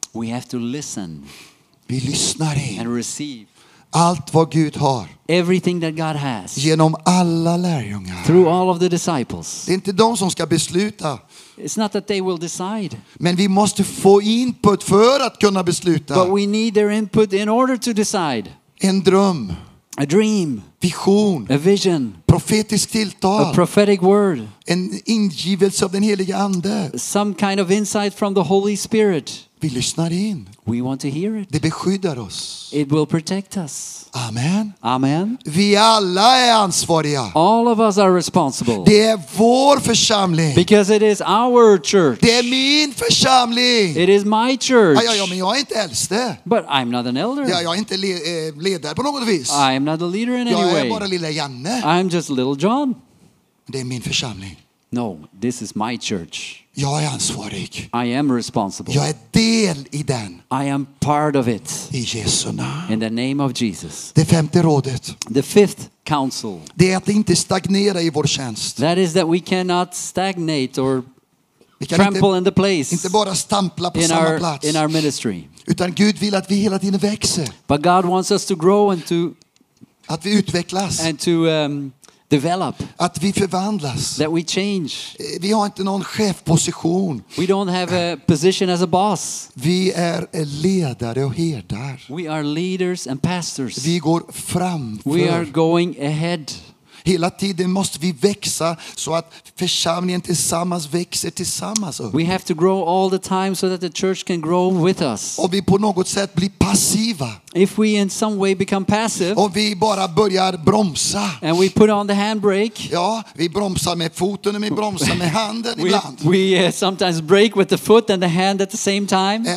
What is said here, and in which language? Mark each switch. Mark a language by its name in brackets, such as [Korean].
[English] We have to listen. [Swedish] Vi lyssnar in. [English] And receive. [Swedish] Allt vad Gud har. [English] Everything that God has. [Swedish] Genom alla lärjungar. [English] Through all of the disciples. [Swedish] Det är inte de som ska besluta. [English] It's not that they will decide. [Swedish] Men vi måste få input för att kunna besluta. [English] But we need their input in order to decide. [Swedish] En dröm. [English] A dream. [Swedish] Vision. [English] A vision. [Swedish] Profetisk tilltal. [English] A prophetic word. [Swedish] En ingivelse av den helige ande. [English] Some kind of insight from the Holy Spirit. [Swedish] Vi lyssnar in. [English] We want to hear it. [Swedish] Det beskyddar oss. [English] It will protect us. [Swedish] Amen. [English] Amen. [Swedish] Vi alla är ansvariga. [English] All of us are responsible. [Swedish] Det är vår församling. [English] Because it is our church. [Swedish] Det är min församling. [English] It is my church. [Swedish] Ja, ja, men jag är inte äldste. [English] But I'm not an elder. [Swedish] Ja, jag är inte ledare på något vis. [English] I am not the leader in any way. [Swedish] Jag är bara lilla Janne. [English] I'm just little John. [Swedish] Det är min församling. [English] No, this is my church. [Swedish] Jag är ansvarig. [English] I am responsible. [Swedish] Jag är del i den. [English] I am part of it. [Swedish] I Jesu namn. [English] In the name of Jesus. [Swedish] Det femte rådet. [English] The fifth counsel. [Swedish] Det är att inte stagnera i vår tjänst. [English] That is that we cannot stagnate or trample in the place. [Swedish] Inte bara stampla på samma plats. [English] In our ministry. [Swedish] Utan Gud vill att vi hela tiden växer. [English] But God wants us to grow and to [Swedish] att vi utvecklas. [English] And to develop. [Swedish] Att vi förvandlas. [English] That we change. [Swedish] Vi har inte någon chefposition. [English] We don't have a position as a boss. [Swedish] Vi är ledare och herdar. [English] We are leaders and pastors. [Swedish] Vi går fram. [English] We are going ahead. [Swedish] Hela tiden måste vi växa så att församlingen tillsammans växer tillsammans. [English] We have to grow all the time so that the church can grow with us. [Swedish] Och vi på något sätt blir passiva. [English] If we in some way become passive. [Swedish] Och vi bara börjar bromsa. [English] And we put on the handbrake. [Swedish] Ja, vi bromsar med foten och vi bromsar med handen ibland. [English] We sometimes brake with the foot and the hand at the same time.